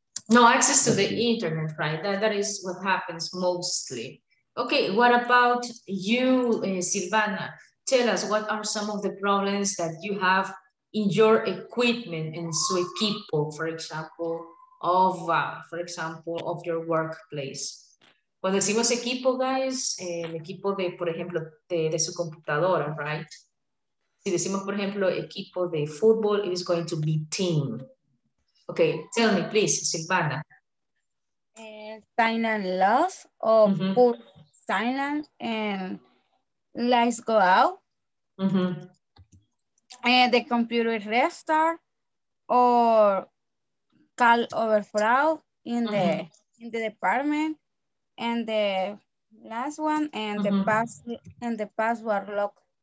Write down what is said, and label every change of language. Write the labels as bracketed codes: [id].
[en] No access to the internet, right? That is what happens mostly. Okay, what about you, Silvana? Tell us, what are some of the problems that you have in your equipment and su equipo, for example, of your workplace? [es] Cuando decimos equipo, guys, el equipo de, por ejemplo, de su computadora, right? Si decimos, por ejemplo, equipo de fútbol, it is going to be team. [en] Okay, tell me, please, Silvana. Sign and love, or put sign and lights go out. The computer restart, or call overflow in the department, and the last one, and the password lock.